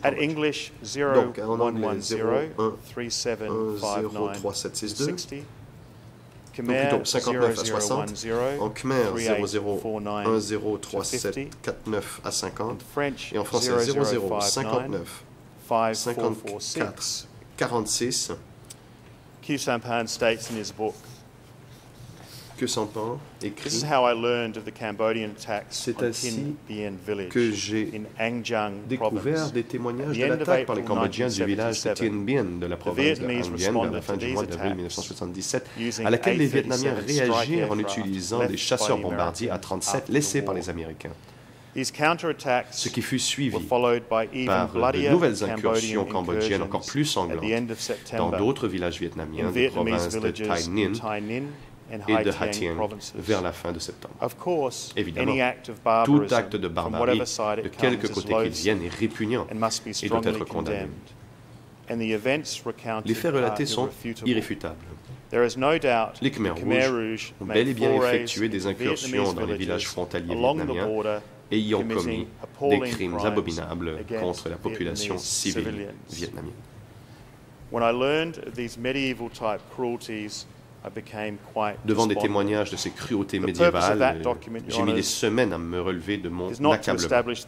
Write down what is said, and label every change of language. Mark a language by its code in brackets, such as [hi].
[fr] Cambodge. At English 0010 3750 60 Khmer 0049 0347 49 à 50 Q Sampan écrit. [en] This is how I learned of the Cambodian attacks on Thin Bien village in Angjang province. [fr] Des témoignages de l'attaque par les Cambodgiens du village de Thin Bien de la province de Hang Bien à la fin du mois d'avril 1977, à laquelle les Vietnamiens réagirent en utilisant des chasseurs bombardiers A-37 laissés par les Américains. [en] These counterattacks [fr] ce qui fut suivi [en] were followed by even bloodier Cambodian incursions [fr] cambodgiennes encore plus sanglantes [en] at the end of September [fr] dans d'autres villages vietnamiens de province de Thái Ninh. et de Haitien vers la fin de septembre. Évidemment, tout acte de barbarie, de quelque côté qu'il vienne, est répugnant et doit être condamné. Les faits relatés sont irréfutables. Les Khmers Rouges ont bel et bien effectué des incursions dans les villages frontaliers vietnamiens, ayant commis des crimes abominables contre la population civile vietnamienne. [en] When I learned these medieval type cruelties, I became quite [fr] devant des témoignages de ces cruautés médiévales, j'ai mis des semaines à me relever de mon accablement.